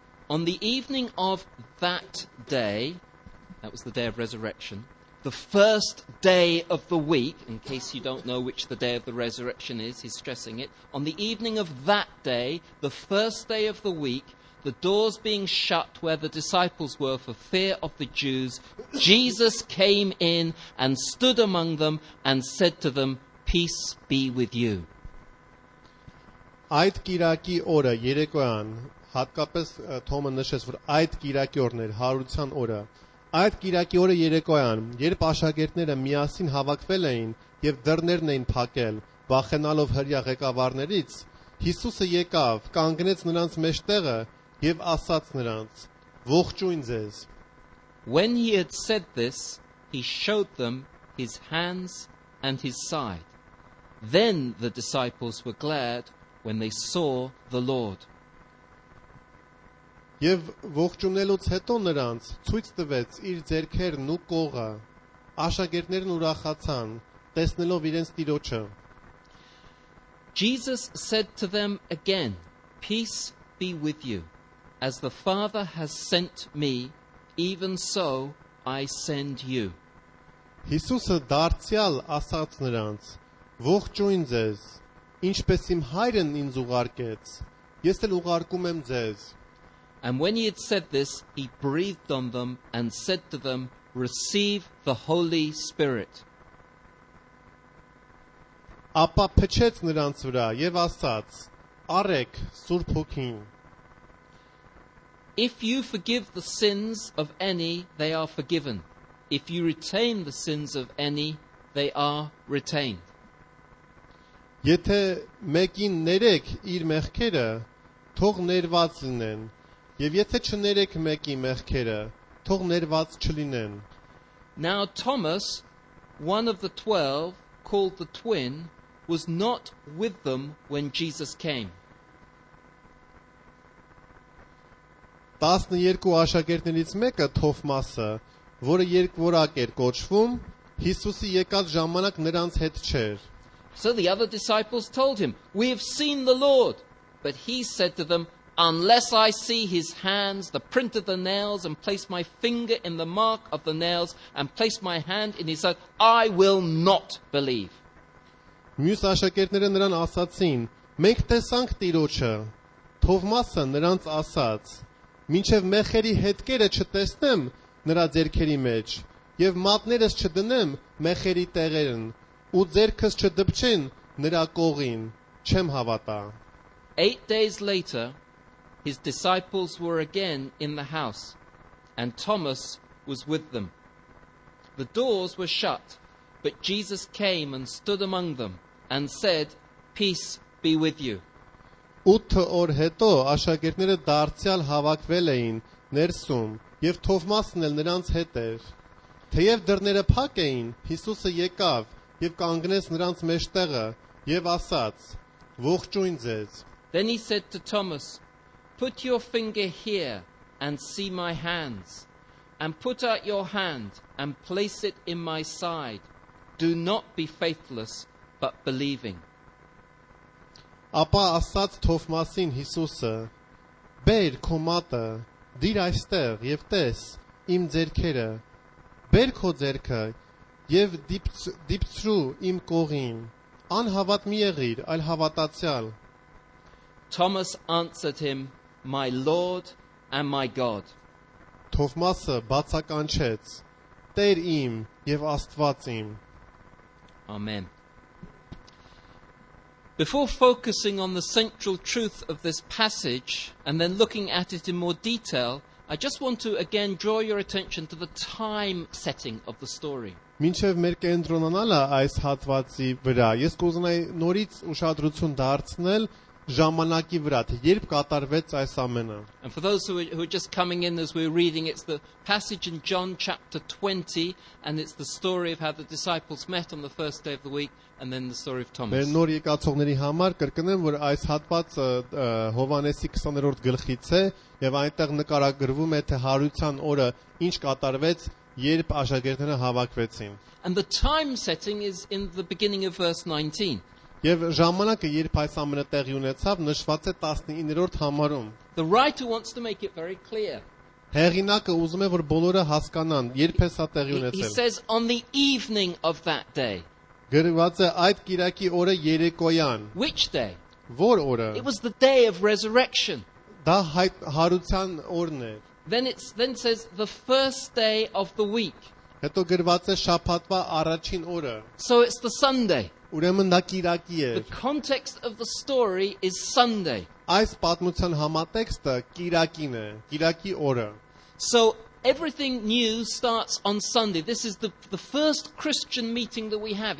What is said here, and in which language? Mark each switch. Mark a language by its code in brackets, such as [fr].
[en] On the evening of that day, that was the day of resurrection, the first day of the week, in case you don't know which the day of the resurrection is, he's stressing it. On the evening of that day, the first day of the week, the doors being shut where the disciples were for fear of the Jews, Jesus came in and stood among them and said to them, "Peace be with you." [hy] Այդ կիրակի օրը երեկոյան, հատկապես Թոմը նշեց, որ այդ կիրակի օրն էր հարության օրը, այդ կիրակի օրը երեկոյան, երբ աշակերտները միասին հավաքվել էին եւ դռներն էին փակել, վախենալով հրեա ղեկավարներից, Հիսուսը եկավ, կանգնեց նրանց մեջտեղը եւ ասաց նրանց. Ողջույն ձեզ. [en] When he had said this, he showed them his hands and his side. Then the disciples were glad when they saw the Lord. [hy] Եվ ողջունելուց հետո նրանց ցույց տվեց իր ձեռքերն ու կողը. Աշակերտներն ուրախացան, տեսնելով իրենց տիրոջը. [en] Jesus said to them again, "Peace be with you. As the Father has sent me, even so I send you." [hy] Հիսուսը դարձյալ ասաց նրանց. «Ողջույն ձեզ, ինչպես իմ Հայրն ինձ ուղարկեց, ես էլ ուղարկում եմ ձեզ»։ [en] And when he had said this, he breathed on them and said to them, "Receive the Holy Spirit." [hy] Ապա փչեց նրանց վրա եւ ասաց. «Արեք Սուրբ Հոգին»։ [en] If you forgive the sins of any, they are forgiven. If you retain the sins of any, they are retained. [hy] Եթե մեկին ներեք իր մեղքերը, թող ներված լինեն, եւ եթե չներեք մեկի մեղքերը, թող ներված չլինեն։ [en] Now Thomas, one of the 12 called the twin, was not with them when Jesus came. [hy] 12 աշակերտներից մեկը Թովմասը, որը երկվորակ էր կոչվում, Հիսուսի եկած ժամանակ նրանց հետ չէր։ [en] So the other disciples told him, "We have seen the Lord." But he said to them, "Unless I see his hands, the print of the nails, and place my finger in the mark of the nails, and place my hand in his side, I will not believe." [hy] Մյուս աշակերտները նրան ասացին, «Մենք տեսանք Տիրոջը»։ Թովմասը նրանց ասաց, «Մինչև մեխերի հետքերը չտեսնեմ նրա ձեռքերի մեջ, և մատներս չդնեմ մեխերի տեղերն, ու ձեռքս չդպչեն նրա կողին, չեմ հավատա»։ [en] 8 days later, his disciples were again in the house, and Thomas was with them. The doors were shut, but Jesus came and stood among them and said, "Peace be with you." [hy] 8 օր հետո աշակերտները դարձյալ հավաքվել էին ներսում, և Թովմասն էլ նրանց հետ էր։ Թեև դռները փակ էին, Հիսուսը եկավ և կանգնեց նրանց մեջտեղը և ասաց, «Ողջույն ձեզ»։ [en] Then he said to Thomas, "Put your finger here and see my hands, and put out your hand and place it in my side. Do not be faithless, but believing." [hy] Ապա ասաց Թովմասին Հիսուսը, «Բեր քո մատը, դիր այստեղ և տես իմ ձեռքերը, բեր քո ձեռքը և դիպցրու իմ կողին, անհավատ մի եղիր, այլ հավատացյալ»։ [en] Thomas answered him, "My Lord and my God." [hy] Թովմասը բացականչեց, «Տեր իմ և Աստված իմ»։ [en] Amen. Before focusing on the central truth of this passage and then looking at it in more detail, I just want to again draw your attention to the time setting of the story. [hy] Մինչև մեր կենտրոնանալը այս հատվածի վրա, ես կուզնայի նորից ուշադրություն դարձնել ժամանակի վրա, թե երբ կատարվեց այս ամենը։ [en] And for those who are just coming in as we're reading, it's the passage in John chapter 20, and it's the story of how the disciples met on the first day of the week, and then the story of Thomas. [hy] Մեր նոր եկածողների համար կրկնեմ, որ այս հատվածը Հովանեսի 20-րդ գլխից է, եւ այնտեղ նկարագրվում է, թե հարության օրը ինչ կատարվեց, երբ աշակերտները հավաքվեցին։ [en] And the time setting is in the beginning of verse 19. [hy] Եվ ժամանակը, երբ այս ամենը տեղի ունեցավ, նշված է 19-րդ համարում։ [en] The writer wants to make it very clear. [hy] Հեղինակը ուզում է, որ բոլորը հասկանան, երբ է սա տեղի ունեցել։ [en] He says on the evening of that day. [hy] Գրված է այդ կիրակի օրը երեկոյան։ [en] Which day? [hy] Որ օրը? [en] It was the day of resurrection. [hy] Դա հարության օրն է։ [en] Then it says the first day of the week. [hy] Հետո գրված է շաբաթվա առաջին օրը։ [en] So it's the Sunday. The context of the story is Sunday. [hy] Այս պատմության համատեքստը կիրակին է, կիրակի օրը։ [en] So everything new starts on Sunday. This is the first Christian meeting that we have.